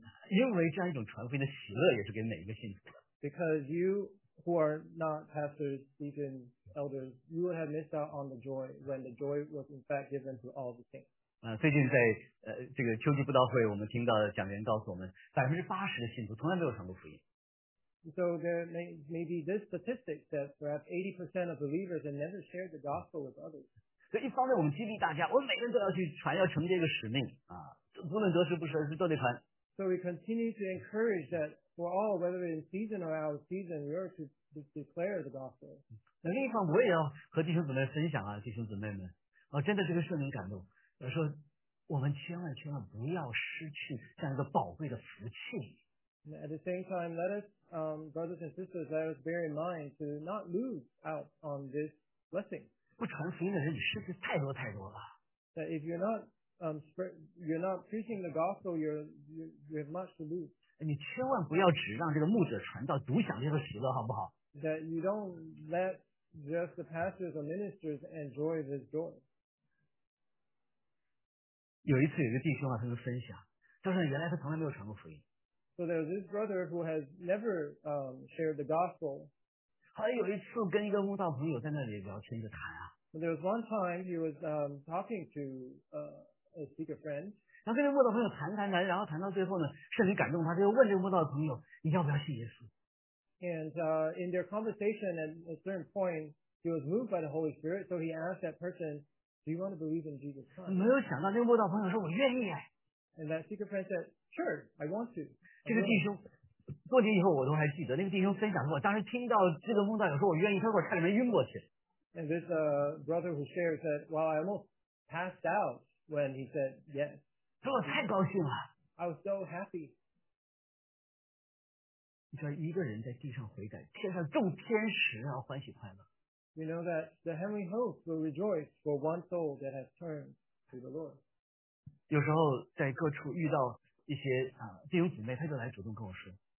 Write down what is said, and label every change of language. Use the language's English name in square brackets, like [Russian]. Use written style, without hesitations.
[Chinese] 因为这样一种传福音的喜乐也是给每一个信徒的。 [English] Because you who are not pastors, deacons, elders, you would have missed out on the joy when the joy was in fact given to all the saints. [Chinese] 最近在这个秋季布道会，我们听到的讲员告诉我们，80%的信徒从来没有传过福音。 [English] So there may be this statistic that perhaps 80% of believers have never shared the gospel with others. [Chinese] 所以一方面我们激励大家，我们每个人都要去传，要承接一个使命啊，不论得时不时，是都得传。 [English] So we continue to encourage that for all, whether in season or out of season, we are to declare the gospel. [Chinese] 那另一方我也要和弟兄姊妹分享啊，弟兄姊妹们，我真的这个圣灵感动，我说我们千万千万不要失去这样一个宝贵的福气。 [English] At the same time, let us, brothers and sisters, let us bear in mind to not lose out on this blessing. [Chinese] 不传福音的人，你失去太多太多了。 [English] That if you're not, you're not preaching the gospel, you have much to lose. [Chinese] 你千万不要只让这个牧者传道，独享这个喜乐，好不好？ [English] That you don't let just the pastors or ministers enjoy this joy. [Chinese] 有一次，有一个弟兄啊，他就分享，他说原来他从来没有传过福音。 [English] So there's this brother who has never shared the gospel. [Chinese] 还有一次跟一个慕道朋友在那里聊天就谈啊。 [English] But there was one time he was talking to a speaker friend. [Chinese] 然后跟这慕道朋友谈谈谈，然后谈到最后呢，圣灵感动他，就问这个慕道朋友，你要不要信耶稣？ [English] And in their conversation at a certain point, he was moved by the Holy Spirit, so he asked that person, "Do you want to believe in Jesus Christ?" [Chinese] 没有想到这个慕道朋友说，我愿意哎。 [English] And that speaker friend said, "Sure, I want to." [Chinese] 这个弟兄多年以后我都还记得，那个弟兄分享过，当时听到这个梦到有说我愿意，他说我差点没晕过去。 [English] And this brother who shared said, "Well, I almost passed out when he said yes." [Chinese] 说我太高兴了。 [English] I was so happy. [Chinese] 你知道一个人在地上悔改，天上众天使要欢喜快乐。 [English] You know that the heavenly host will rejoice for one soul that has turned to the Lord. [Chinese] 有时候在各处遇到一些弟兄姊妹，他就来主动跟我说。